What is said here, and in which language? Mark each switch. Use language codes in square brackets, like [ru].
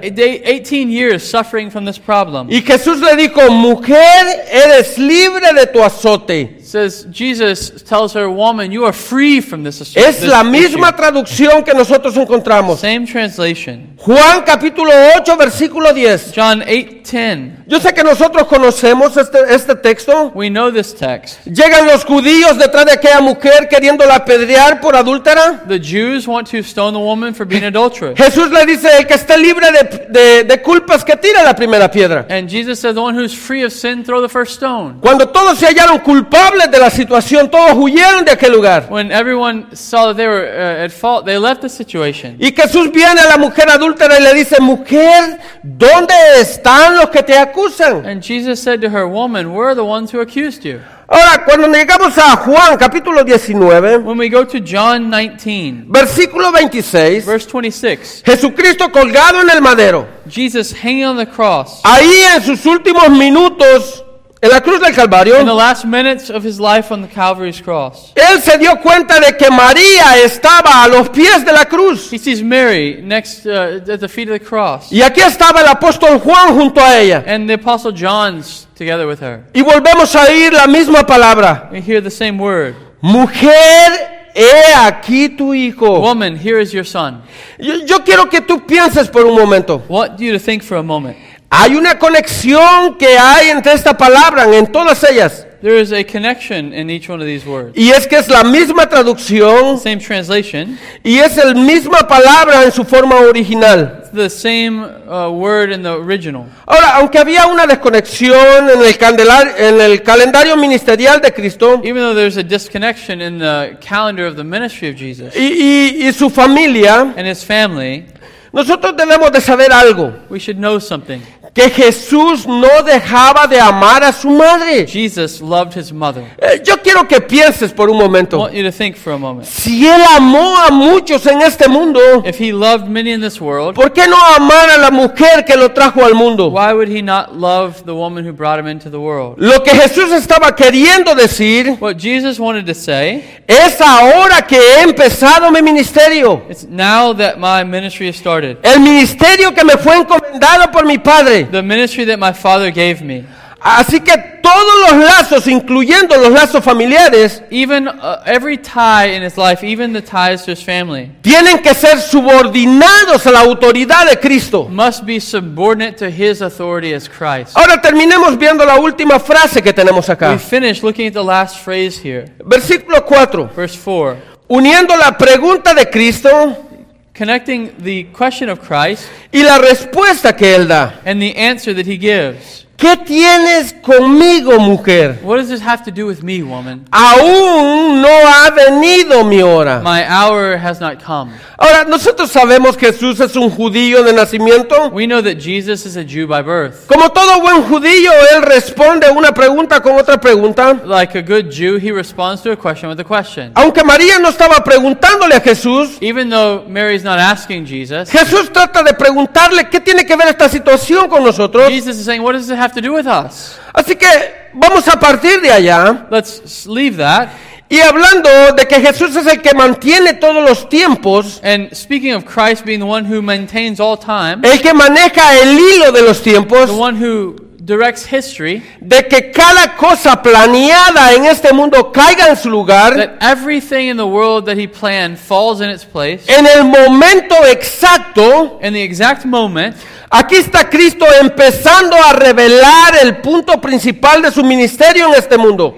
[en] 18 years suffering from this problem. [es] Y Jesús le dijo, mujer, eres libre de tu azote. [en] Says Jesus tells her, woman, you are free from this issue. [es] Es la misma traducción que nosotros encontramos. [en] Same translation. [es] Juan capítulo 8 versículo 10. [en] John 8:10. [es] Yo sé que nosotros conocemos este texto. [en] We know this text. [es] Llegan los judíos detrás de aquella mujer queriéndola apedrear por adúltera. [en] The Jews want to stone the woman for being adulterous. [es] Jesús le dice, el que esté libre de culpas que tire la primera piedra. [en] And Jesus says, the one who's free of sin, throw the first stone. [es] Cuando todos se hallaron culpables de la situación, todos huyeron de aquel lugar. [en] When everyone saw that they were at fault, they left the situation. [es] Y Jesús viene a la mujer adúltera y le dice, mujer, ¿dónde están los que te acusan? [en] And Jesus said to her, woman, where are the ones who accused you? [es] Ahora, cuando llegamos a Juan, capítulo 19, [en] when we go to John 19, [es] versículo 26, [en] verse 26, [es] Jesucristo colgado en el madero, [en] Jesus hanging on the cross, [es] ahí en sus últimos minutos, en la cruz del Calvario, [en] in the last minutes of his life on the Calvary's cross, [es] él se dio cuenta de que María estaba a los pies de la cruz. [en] He sees Mary next at the feet of the cross. [es] Y aquí estaba el apóstol Juan junto a ella. [en] And the apostle John's together with her. [es] Y volvemos a oír la misma palabra. [en] We hear the same word. [es] Mujer, he aquí tu hijo. [en] Woman, here is your son. [es] Yo quiero que tú pienses por un momento. [en] What do you think for a moment? [es] Hay una conexión que hay entre esta palabra, en todas ellas. [en] There is a connection in each one of these words. [es] Y es que es la misma traducción. [en] Same translation. [es] Y es la misma palabra en su forma original. [en] It's the same word in the original. [es] Ahora, aunque había una desconexión en el calendario ministerial de Cristo. [en] Even though there's a disconnection in the calendar of the ministry of Jesus. [es] Y su familia. [en] And his family. [es] Nosotros debemos de saber algo. [en] We should know something. [es] Que Jesús no dejaba de amar a su madre. [en] Jesus loved his mother. [es] Yo quiero que pienses por un momento. [en] I want you to think for a moment. [es] Si él amó a muchos en este mundo, [en] if he loved many in this world, [es] ¿por qué no amar a la mujer que lo trajo al mundo? [en] Why would he not love the woman who brought him into the world? [es] Lo que Jesús estaba queriendo decir, [en] what Jesus wanted to say, [es] es ahora que he empezado mi ministerio. [en] It's now that my ministry has started. [es] El ministerio que me fue encomendado por mi padre. [en] The ministry that my father gave me. [es] Así que todos los lazos, incluyendo los lazos familiares, [en] even every tie in his life, even the ties to his family, [es] tienen que ser subordinados a la autoridad de Cristo. [en] Must be subordinate to his authority as Christ. [es] Ahora terminemos viendo la última frase que tenemos acá. [en] We finish looking at the last phrase here. [es] Versículo 4. [en] Verse 4. [es] Uniendo la pregunta de Cristo. [en] Connecting the question of Christ [es] y la respuesta que él da. [en] And the answer that he gives. [es] ¿Qué tienes conmigo, mujer? [en] What does this have to do with me, woman? [es] Aún no ha venido mi hora. [en] My hour has not come. [es] Ahora, nosotros sabemos que Jesús es un judío de nacimiento. [en] We know that Jesus is a Jew by birth. [es] Como todo buen judío, él responde una pregunta con otra pregunta. [en] Like a good Jew, he responds to a question with a question. [es] Aunque María no estaba preguntándole a Jesús, [en] even though Mary's not asking Jesus, [es] Jesús trata de preguntarle qué tiene que ver esta situación con nosotros. [en] Jesus is saying, what does this have to do with us? [es] Así que vamos a partir de allá. [en] Let's leave that. [es] Y hablando de que Jesús es el que mantiene todos los tiempos, [en] and speaking of Christ being the one who maintains all time, [es] el que maneja el hilo de los tiempos, [en] the one who directs history, [es] de que cada cosa planeada en este mundo caiga en su lugar, [en] that everything in the world that he planned falls in its place, [es] en el momento exacto, [en] in the exact moment, [es] aquí está Cristo empezando a revelar el punto principal de su ministerio en este mundo.